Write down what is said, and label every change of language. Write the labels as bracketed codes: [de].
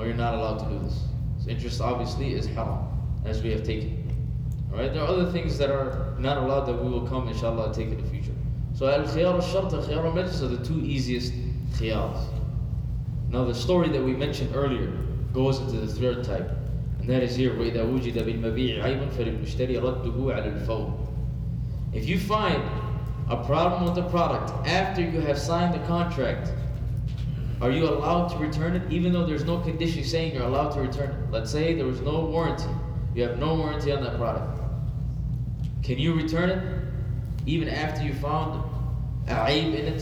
[en] No, you're not allowed to do this. So interest obviously is haram, as we have taken. All right, there are other things that are not allowed that we will come, inshallah, take in the future. So al-khiyar al-shart and khiyar al-majlis are the two easiest khiyars. Now the story that we mentioned earlier goes into the third type. And that is here, [ar] وَإِذَا وُجِدَ بِالْمَبِيعِ عَيْبٌ فَلِلْمُشْتَرِي رَدُّهُ عَلَى الْفَوْضِ. [en] If you find a problem with the product after you have signed the contract, are you allowed to return it even though there's no condition saying you're allowed to return it? Let's say there was no warranty. You have no warranty on that product. Can you return it even after you found a'ib in it?